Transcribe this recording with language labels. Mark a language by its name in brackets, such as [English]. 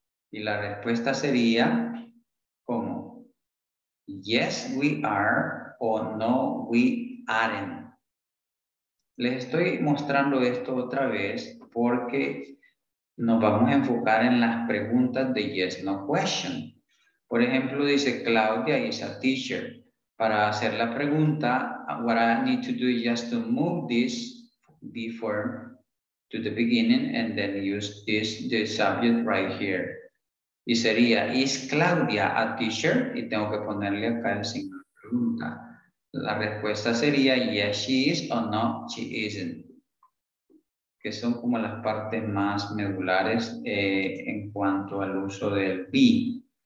[Spanish] Y la respuesta sería, ¿cómo? [English] Yes, we are, [Spanish] o no, [English] we aren't. [Spanish] Les estoy mostrando esto otra vez porque nos vamos a enfocar en las preguntas de yes, no question. Por ejemplo, dice [English] Claudia is a teacher. [Spanish] Para hacer la pregunta, [English] what I need to do is just to move this before to the beginning and then use this the subject right here. [Spanish] Y sería, [English] is Claudia a teacher? [Spanish] Y tengo que ponerle acá el signo de pregunta. La respuesta sería, [English] yes, she is, [Spanish] o no, [English] she isn't. [Spanish] Que son como las partes más medulares en cuanto al uso del be.